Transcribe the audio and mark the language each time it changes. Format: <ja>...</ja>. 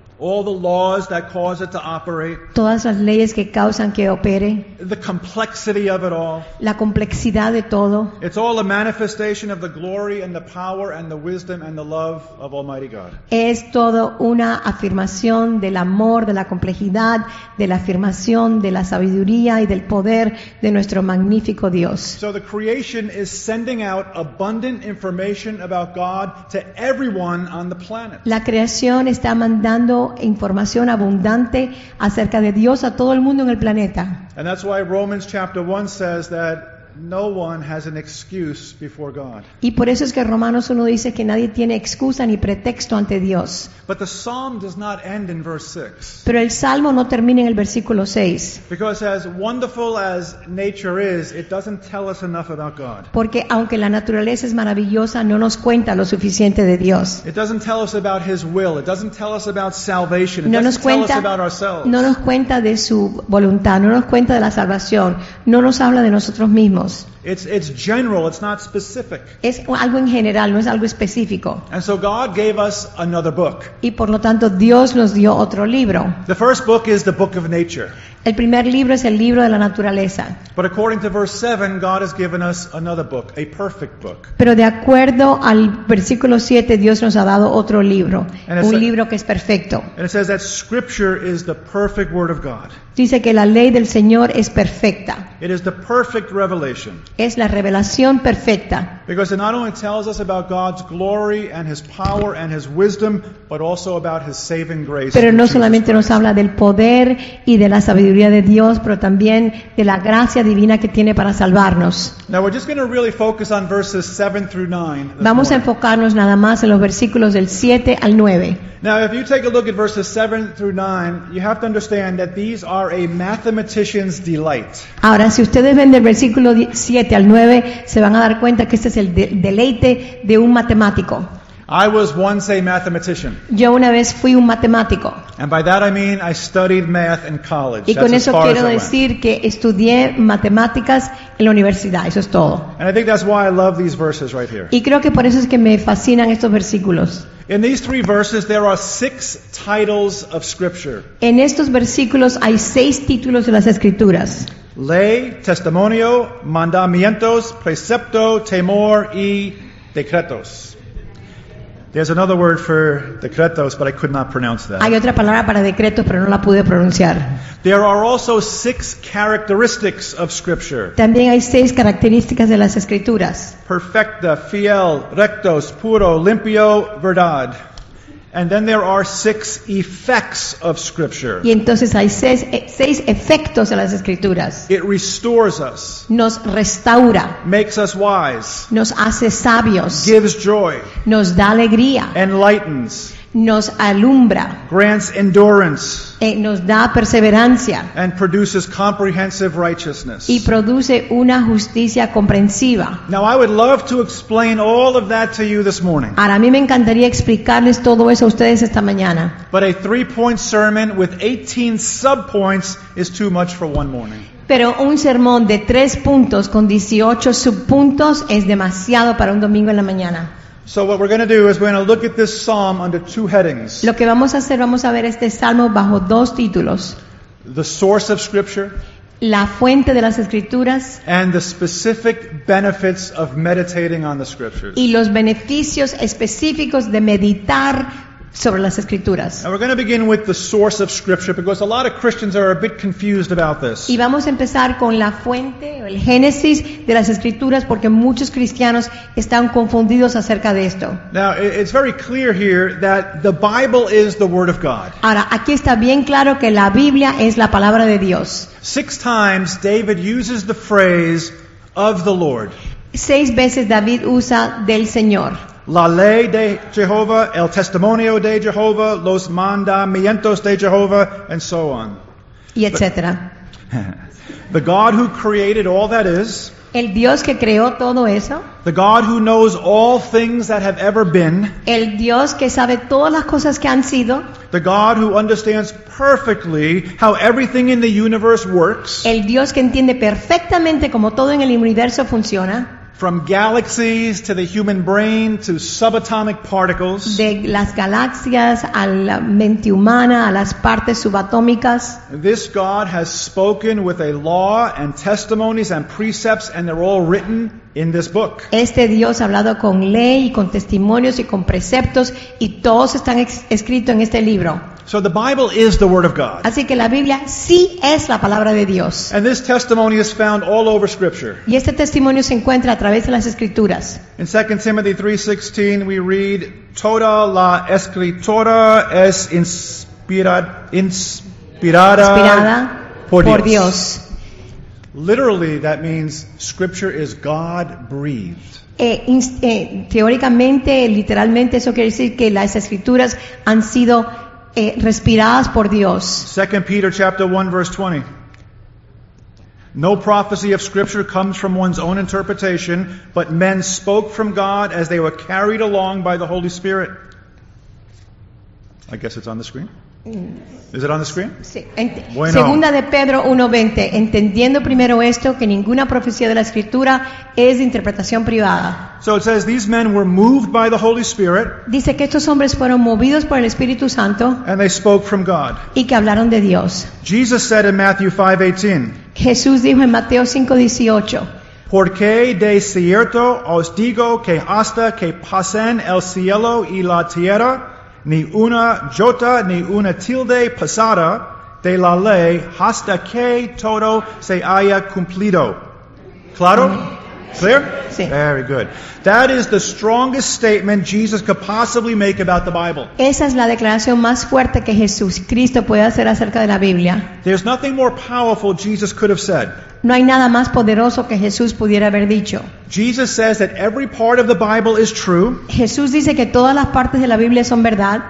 <en>All the laws that cause it to operate.</en> <es>Todas las leyes que causan que opere.</es> <en>The complexity of it all.</en> <es>La complejidad de todo.</es> <en>It's all a manifestation of the glory and the power and the wisdom and the love of Almighty God.</en> <es>Es todo una afirmación del amor, de la complejidad, de la afirmación de la sabiduría y del poder de nuestro magnífico Dios.</es> <en>So the creation is sending out abundant information about God to everyone on the planet.</en> <es>La creación está mandando información abundante acerca de Dios a todo el mundo en el planeta.</es> <en>And that's why Romans chapter 1 says that No one has an excuse before God.</en> <es>Y por eso es que Romanos 1 dice que nadie tiene excusa ni pretexto ante Dios.</es> <en>But the psalm does not end in verse 6.</en> <es>Pero el salmo no termina en el versículo 6.</es> <en>Because as wonderful as nature is, it doesn't tell us enough about God.</en> <es>Porque aunque la naturaleza es maravillosa, no nos cuenta lo suficiente de Dios.</es> <en>It doesn't tell us about His will. It doesn't tell us about salvation. It doesn't tell us about ourselves.</en> <es>No nos cuenta de su voluntad. No nos cuenta de la salvación. No nos habla de nosotros mismos.</es> <en>It's general, it's not specific.</en> <es>Es algo en general, no es algo específico.</es> <en>And so God gave us another book.</en> <es>Y por lo tanto Dios nos dio otro libro.</es> <en>The first book is the book of nature.</en> <es>El primer libro es el libro de la naturaleza.</es> <en>But according to verse 7, God has given us another book, a perfect book.</en> <es>Pero de acuerdo al versículo 7, Dios nos ha dado otro libro, un libro que es perfecto.</es> <en>And it says that scripture is the perfect word of God.</en> <es>Dice que la ley del Señor es perfecta.</es> <en>It is the perfect revelation.</en> <es>Es la revelación perfecta.</es> <en>Because it not only tells us about God's glory and His power and His wisdom, but also about His saving grace.</en> <es>Pero no solamente nos habla del poder y de la sabiduría de Dios, pero también de la gracia divina que tiene para salvarnos.</es> <en>Now we're just going to really focus on verses 7 through 9.</en> <es>Vamos a enfocarnos nada más en los versículos del 7 al 9.</es> <en>Now if you take a look at verses 7 through 9, you have to understand that these are a mathematician's delight.</en> <es>Ahora, si ustedes ven del versículo 7 al 9, se van a dar cuenta que este es el deleite de un matemático.</es> <en>I was once a mathematician.</en> <es>Yo una vez fui un matemático.</es> <en>And by that I mean I studied math in college.</en> <es>Y con</es> <en>that's</en> <es>eso quiero decir que estudié matemáticas en la universidad. Eso es todo.</es> <en>And I think that's why I love these verses right here.</en> <es>Y creo que por eso es que me fascinan estos versículos.</es> <en>In these three verses, there are six titles of Scripture.</en> <es>En estos versículos hay seis títulos de las Escrituras. Ley, testimonio, mandamientos, precepto, temor y decretos.</es> <en>There's another word for decretos, but I could not pronounce that.</en> <es>Hay otra palabra para decretos, pero no la pude pronunciar.</es> <en>There are also six characteristics of Scripture.</en> <es>También hay seis características de las Escrituras. Perfecta, fiel, rectos, puro, limpio, verdad.</es> <en>And then there are six effects of Scripture.</en> <es>Y entonces hay seis efectos en las Escrituras.</es> <en>It restores us.</en> <es>Nos restaura.</es> <en>Makes us wise.</en> <es>Nos hace sabios.</es> <en>Gives joy.</en> <es>Nos da alegría.</es> <en>Enlightens.</en> <es>Nos alumbra.</es> <en>Grants endurance.</en> <es>Nos da perseverancia.</es> <en>And produces comprehensive righteousness.</en> <es>Y produce una justicia comprensiva.</es> <en>Now I would love to explain all of that to you this morning.</en> <es>Ahora, a mí me encantaría explicarles todo eso a ustedes esta mañana.</es> <en>But a 3-point sermon with 18 subpoints is too much for one morning.</en> <es>Pero un sermón de 3 puntos con 18 subpuntos es demasiado para un domingo en la mañana.</es> <en>So what we're going to do is we're going to look at this psalm under two headings.</en> <es>Lo que vamos a hacer, vamos a ver este salmo bajo dos títulos.</es> <en>The source of Scripture.</en> <es>La fuente de las Escrituras.</es> <en>And the specific benefits of meditating on the Scriptures.</en> <es>Y los beneficios específicos de meditar sobre las Escrituras.</es> <en>And we're going to begin with the source of Scripture because a lot of Christians are a bit confused about this.</en> <es>Y vamos a empezar con la fuente o el génesis de las Escrituras porque muchos cristianos están confundidos acerca de esto.</es> <en>Now, it's very clear here that the Bible is the Word of God.</en> <es>Ahora, aquí está bien claro que la Biblia es la palabra de Dios.</es> <en>6 times David uses the phrase of the Lord.</en> <es>6 veces David usa del Señor. La ley de Jehová, el testimonio de Jehová, los mandamientos de Jehová,</es> <en>and so on.</en> <es>Y etc.</es> <en>The God who created all that is.</en> <es>El Dios que creó todo eso.</es> <en>The God who knows all things that have ever been.</en> <es>El Dios que sabe todas las cosas que han sido.</es> <en>The God who understands perfectly how everything in the universe works.</en> <es>El Dios que entiende perfectamente cómo todo en el universo funciona.</es> <en>From galaxies to the human brain to subatomic particles.</en> <es>De las galaxias a la mente humana, a las partes subatómicas.</es> <en>This God has spoken with a law and testimonies and precepts and they're all written in this book.</en> <es>Este Dios ha hablado con ley y con testimonios y con preceptos y todos están escritos en este libro.</es> <en>So the Bible is the Word of God.</en> <es>Así que la Biblia sí es la palabra de Dios.</es> <en>And this testimony is found all over Scripture.</en> <es>Y este testimonio se encuentra a través de las Escrituras.</es> <en>In 2 Timothy 3:16 we read,</en> <es>toda la Escritura es inspirada por Dios.</es> <en>Literally, that means Scripture is God-breathed.</en> <es>Teóricamente, literalmente, eso quiere decir que las Escrituras han sido respiradas por Dios.</es> <en>2 Peter chapter 1, verse 20. No prophecy of Scripture comes from one's own interpretation, but men spoke from God as they were carried along by the Holy Spirit. I guess it's on the screen. Is it on the screen?</en> <es>Bueno. Segunda de Pedro 1:20. Entendiendo primero esto, que ninguna profecía de la Escritura es de interpretación privada.</es> <en>So it says these men were moved by the Holy Spirit.</en> <es>Dice que estos hombres fueron movidos por el Espíritu Santo.</es> <en>And they spoke from God.</en> <es>Y que hablaron de Dios.</es> <en>Jesus said in Matthew 5:18.</en> <es>Jesús dijo en Mateo 5:18. Porque de cierto os digo que hasta que pasen el cielo y la tierra, ni una jota ni una tilde pasada de la ley hasta que todo se haya cumplido. Claro?</es> <en>Clear?</en> <es>Sí.</es> <en>Very good. That is the strongest statement Jesus could possibly make about the Bible.</en> <es>Esa es la declaración más fuerte que Jesucristo puede hacer acerca de la Biblia.</es> <en>There's nothing more powerful Jesus could have said.</en> <es>No hay nada más poderoso que Jesús pudiera haber dicho.</es> <en>Jesus says that every part of the Bible is true.</en> <es>Jesús dice que todas las partes de la Biblia son verdad.</es>